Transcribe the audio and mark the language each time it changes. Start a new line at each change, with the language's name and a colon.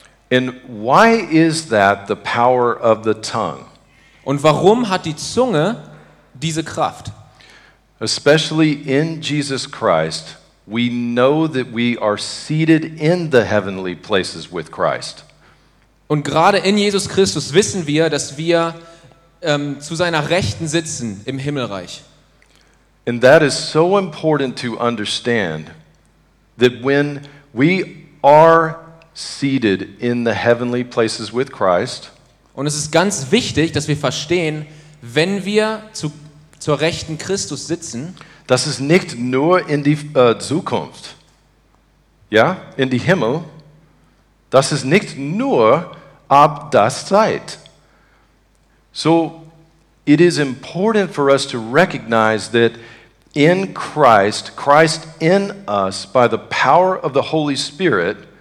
English: And why is that the power of the tongue?
German: Und warum hat die Zunge diese Kraft?
English: Especially in Jesus Christ, we know that we are seated in the heavenly places with Christ.
German: Und gerade in Jesus Christus wissen wir, dass wir zu seiner Rechten sitzen im Himmelreich.
English: And that is so important to understand that when we are seated in the heavenly places with Christ.
German: Und es ist ganz wichtig, dass wir verstehen, wenn wir zur rechten Christus sitzen, das ist nicht nur in die Zukunft, ja, in die Himmel, das ist nicht nur ab das Zeit.
English: So, it is important for us to recognize that in Christ, Christ in us, by the power of the Holy Spirit.